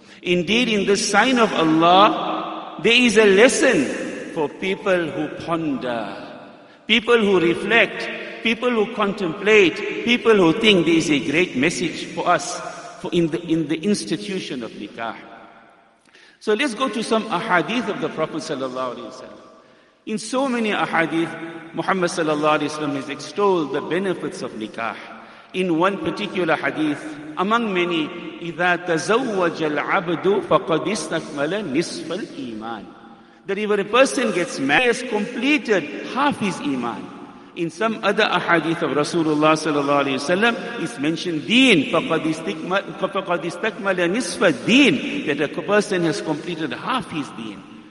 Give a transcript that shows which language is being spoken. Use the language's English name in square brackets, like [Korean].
[English] Indeed, in the sign of Allah, there is a lesson for people who ponder, people who reflect, people who contemplate, people who think. There is a great message for us in the institution of nikah. So let's go to some ahadith of the Prophet sallallahu alaihi wasallam. In so many ahadith, Muhammad sallallahu alaihi wasallam has extolled the benefits of nikah. In one particular hadith, among many, [Arabic] إِذَا تَزَوَّجَ الْعَبْدُ فَقَدْ إِسْتَكْمَلَ نِصْفَ الْإِيمَانِ. [English] That if a person gets married, he has completed half his iman. In some other ahadith of Rasulullah sallallahu alaihi wasallam, it's mentioned deen, [Arabic] فَقَدْ إِسْتَكْمَلَ نِصْفَ الدِّينِ, [English] that a person has completed half his deen.